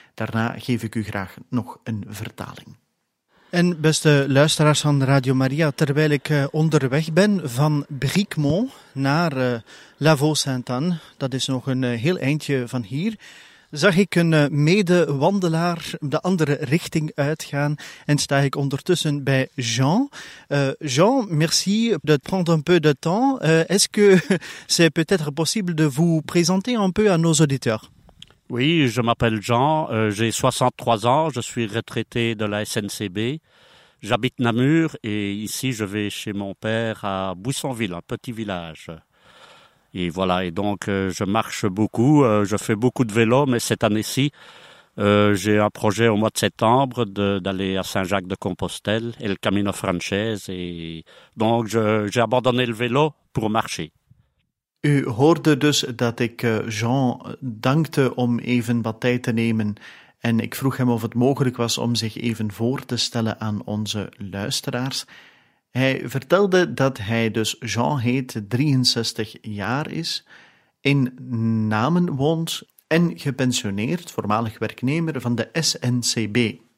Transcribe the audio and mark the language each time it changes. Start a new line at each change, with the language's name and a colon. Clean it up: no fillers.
Dutch: Daarna geef ik u graag nog een vertaling. En beste luisteraars van Radio Maria, terwijl ik onderweg ben van Briquemont naar La Vaux-Sainte-Anne, dat is nog een heel eindje van hier, zag ik een medewandelaar de andere richting uitgaan en sta ik ondertussen bij Jean.
French: Jean, merci de prendre un peu de temps. Est-ce que c'est peut-être possible de vous présenter un peu à nos auditeurs? Oui, je m'appelle Jean, j'ai 63 ans, je suis retraité de la SNCB. J'habite Namur et ici je vais chez mon père à Buissonville, un petit village. Et voilà, et donc je marche beaucoup, je fais beaucoup de vélo, mais cette année-ci, j'ai un projet au mois de septembre d'aller à Saint-Jacques-de-Compostelle et le Camino Frances. Et donc j'ai abandonné le vélo pour marcher.
Dutch: U hoorde dus dat ik Jean dankte om even wat tijd te nemen en ik vroeg hem of het mogelijk was om zich even voor te stellen aan onze luisteraars. Hij vertelde dat hij dus Jean heet, 63 jaar is, in Namen woont en gepensioneerd, voormalig werknemer van de SNCB.